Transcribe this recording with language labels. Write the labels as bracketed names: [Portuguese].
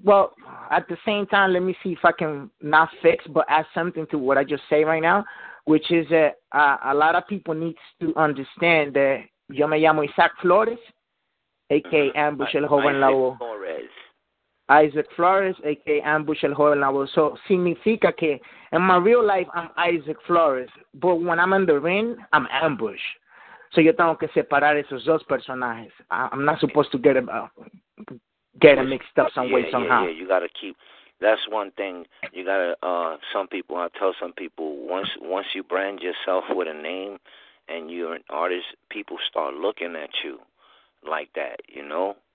[English] Well, at the same time, let me see if I can not fix, but add something to what I just say right now, which is that a lot of people needs to understand that. [Spanish] Yo me llamo Isaac Flores, a.k.a. Ambush el Joven Lobo. Isaac Flores, [English] a.k.a. Ambush el Joven Lobo. So, [Spanish] significa que [English] in my real life, I'm Isaac Flores. But when I'm in the ring, I'm Ambush. [Spanish] So, yo tengo que separar esos dos personajes. [English] I'm not supposed to get them mixed up somehow. Yeah, you got to keep... That's one thing you got to... I tell some people, once you brand yourself with a name... And you're an artist, people start looking at you like that, you know?